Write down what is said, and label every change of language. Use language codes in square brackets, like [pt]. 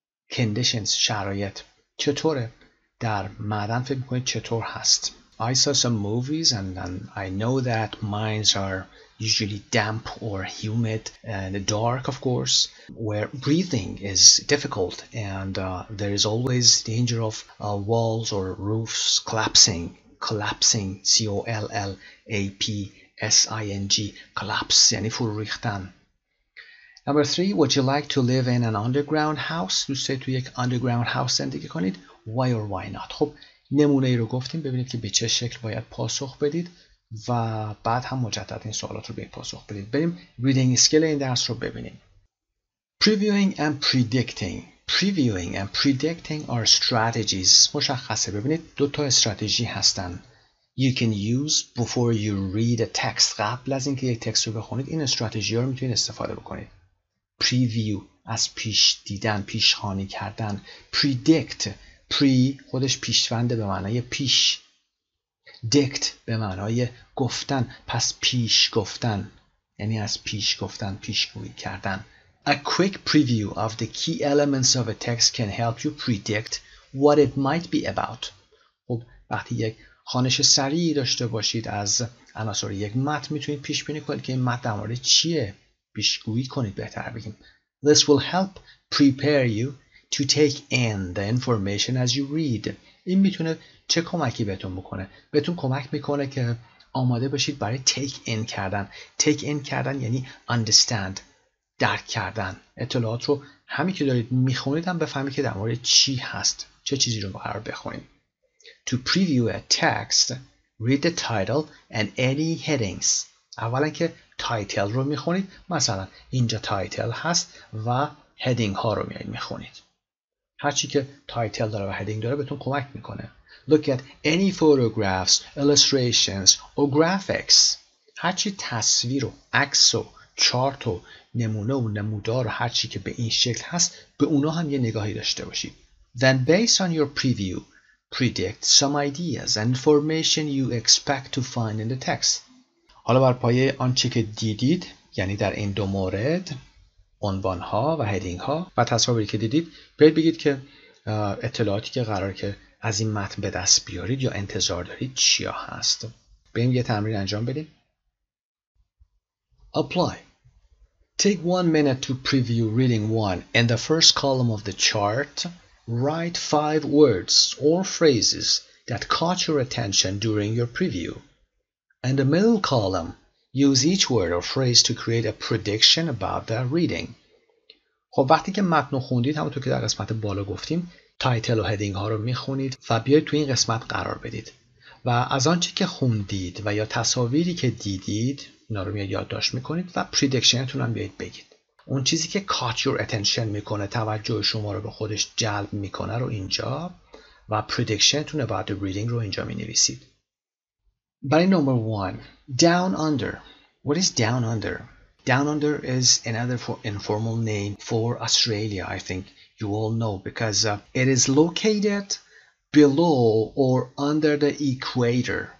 [en] Conditions, [fa] شرایط چطوره؟ در معدن فکر می‌کنید چطور هست؟ [en] I saw some movies and I know that mines are usually damp or humid and dark, of course, where breathing is difficult and there is always danger of walls or roofs collapsing, C-O-L-L-A-P-S-I-N-G, collapse, [fa] یعنی فرو ریختن. [en] Number three, would you like to live in an underground house? [fa] دوسته تو یک underground house زندگی کنید. [en] Why or why not? [fa] خب نمونه ای رو گفتیم، ببینید که به چه شکل باید پاسخ بدید و بعد هم مجدد این سوالات رو به پاسخ بدید. بریم reading skill این درس رو ببینیم. [en] Previewing and predicting. Previewing and predicting are strategies. [fa] مشخصه، ببینید دو تا استراتژی هستن. [en] You can use before you read a text. [fa] قبل از اینکه یک تکست رو بخونید این استراتژی ها رو میتونید استفاده بکنید. Preview از پیش دیدن، پیشخوانی کردن. Predict، pre خودش پیشونده به معنای پیش. Dict به معنای گفتن، پس پیش گفتن، یعنی از پیش گفتن، پیشگویی کردن. [en] A quick preview of the key elements of a text can help you predict what it might be about. [fa] خب وقتی یک خوانش سریع داشته باشید از عناصر یک متن میتونید پیش بینی کنید که این متن در مورد چیه، پیشگویی کنید بهتر بگیم. [en] This will help prepare you to take in the information as you read. [fa] این میتونه چه کمکی بهتون بکنه؟ بهتون کمک میکنه که آماده بشید برای take in کردن. Take in کردن یعنی understand، درک کردن. اطلاعات رو همین که دارید میخونید هم بفهمید که در مورد چی هست، چه چیزی رو قرار بخونید. [en] To preview a text, read the title and any headings. [fa] اولا که تایتل رو میخونید، مثلا اینجا تایتل هست و هدینگ ها رو میخونید. هرچی که تایتل داره و هدینگ داره بهتون کمک میکنه. [en] Look at any photographs, illustrations or graphics. [fa] هرچی تصویر و عکس و چارت و نمونه و نمودار و هرچی که به این شکل هست به اونا هم یه نگاهی داشته باشید. [en] Then based on your preview, predict some ideas and information you expect to find in the text. [fa] حالا بر پایه آنچه که دیدید، یعنی در این دو مورد عنوان ها و هدینگ ها و تصاویری که دیدید، برید بگید که اطلاعاتی که قرار که از این متن به دست بیارید یا انتظار دارید چیا هست. بریم یه تمرین انجام بدیم. [en] Apply. Take 1 minute to preview reading one. In the first column of the chart, write 5 words or phrases that caught your attention during your preview. In the middle column, use each word or phrase to create a prediction about the reading. [fa] خب وقتی که متن رو خوندید، همونطور که در قسمت بالا گفتیم، تایتل و هدینگ ها رو میخونید و بیاید تو این قسمت قرار بدید. و از آنچه که خوندید و یا تصاویری که دیدید، اینا رو میاد یادداشت میکنید و پریدیکشنتون هم بیاید بگید. اون چیزی که [en] caught your attention [fa] میکنه، توجه شما رو به خودش جلب میکنه رو اینجا و پریدیکشنتون [en] about the reading [fa] رو اینجا مینویسید. [en] By number one, down under. What is down under? Down under is another informal name for Australia, I think you all know, because it is located below or under the equator.